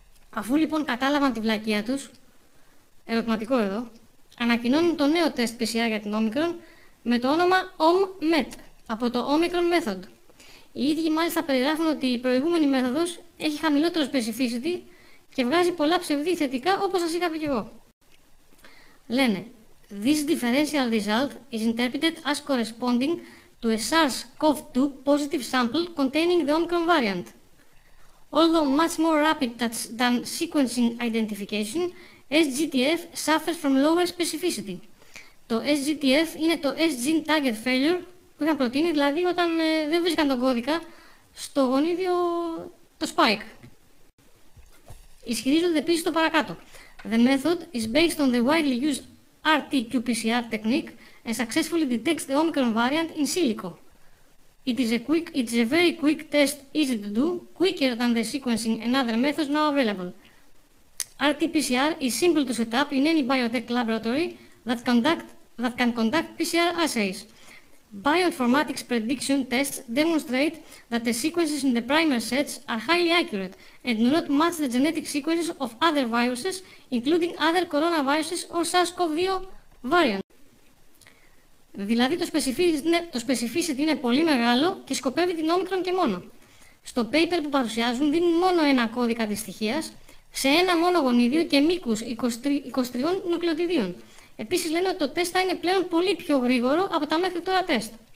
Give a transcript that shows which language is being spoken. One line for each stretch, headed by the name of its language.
Greek: Αφού λοιπόν κατάλαβαν τη βλακεία τους, ερωτηματικό εδώ, ανακοινώνουν το νέο τεστ PCR για την Omicron με το όνομα OMMET, από το Omicron Method. Οι ίδιοι μάλιστα περιγράφουν ότι η προηγούμενη μέθοδος έχει χαμηλότερο specificity και βγάζει πολλά ψευδή θετικά, όπως σας είχα πει και εγώ. Λένε,
English: this differential result is interpreted as corresponding to a SARS-CoV-2 positive sample containing the Omicron variant. Although much more rapid than sequencing identification, SGTF suffers from lower specificity.
Greek: Το SGTF είναι το
English: S-gene target failure
Greek: που είχαν προτείνει, δηλαδή όταν δεν βρίσκαν τον κώδικα στο γονίδιο το spike. Ισχυρίζονται επίσης το παρακάτω.
English: The method is based on the widely used RT-PCR technique and successfully detects the Omicron variant in silico. It is a very quick test, easy to do, quicker than the sequencing and other methods now available. RT-PCR is simple to set up in any biotech laboratory that can conduct PCR assays. Bioinformatics prediction tests demonstrate that the sequences in the primer sets are highly accurate and do not match the genetic sequences of other viruses, including other coronaviruses or SARS-CoV-2 variants.
Greek: Δηλαδή το specificity είναι πολύ μεγάλο και σκοπεύει την Omicron και μόνο. Στο paper που παρουσιάζουν δίνουν μόνο ένα κώδικα δυστυχίας σε ένα μόνο γονίδιο και μήκους 23 νουκλεοτιδίων. Επίσης λένε ότι το τεστ θα είναι πλέον πολύ πιο γρήγορο από τα μέχρι τώρα τεστ.